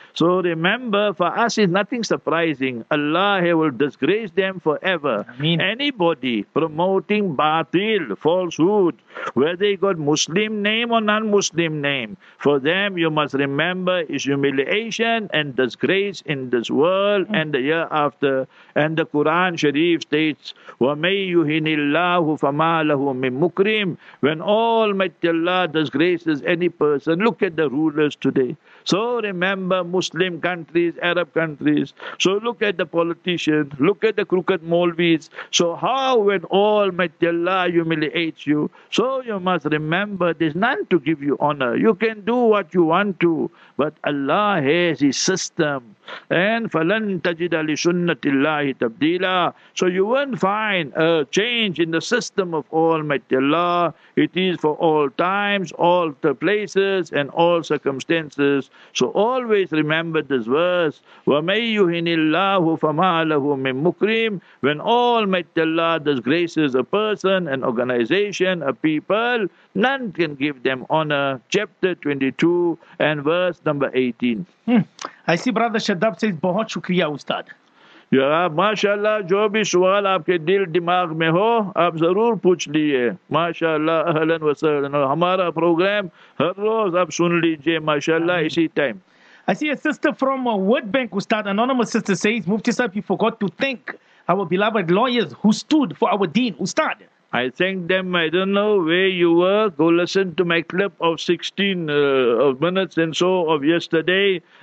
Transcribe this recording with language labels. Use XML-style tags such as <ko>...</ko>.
<en>So remember, for us is nothing surprising. Allah, he will disgrace them forever. Ameen. Anybody promoting batil, falsehood, whether they got Muslim name or non-Muslim name, for them, you must remember, is humiliation and disgrace in this world and the year after. And the Quran Sharif states,</en> <ar>وَمَنْ يُهِنِ اللَّهُ فَمَا لَهُ مِنْ مُكْرِيمٍ.</ar> <en>When Almighty Allah disgraces any person, look at the rulers today. So remember, Muslim countries, Arab countries. So look at the politicians, look at the crooked Maulvis. So how, when Almighty Allah humiliates you? So you must remember, there's none to give you honor. You can do what you want to, but Allah has his system. And</en> <ar>فَلَنْ تَجِدَ لِسُنَّةِ اللَّهِ تَبْدِيلًا.</ar> <en>So you won't find a change in the system of Almighty Allah. It is for all times, all the places, and all circumstances. So always remember this verse,</en> <ar>وَمَنْ يُهِنِ اللَّهُ فَمَا لَهُ مِنْ مُكْرِيمٍ.</ar> <en>When Almighty Allah disgraces a person, an organization, a people, none can give them honor. Chapter 22 and verse number 18.</en> <ur>I see Brother Shaddab says, بہت شکریہ استاد. Yeah, mashallah, جو بھی سوال آپ کے دل دماغ میں ہو آپ ضرور پوچھ لیے.</ur> <en>Mashallah, ahlan wa sahlan.</en> <ur>ہمارا پروگرام ہر روز آپ سن لیجئے</ur> <en>mashallah</en> <ur>اسی time.</ur> <en>I see a sister from a World Bank, Ustad, anonymous sister says, Mufti sahab, you forgot to thank our beloved lawyers who stood for our deen, Ustad. I thank them. I don't know where you were. Go listen to my clip of 16 of minutes and so of yesterday.</en>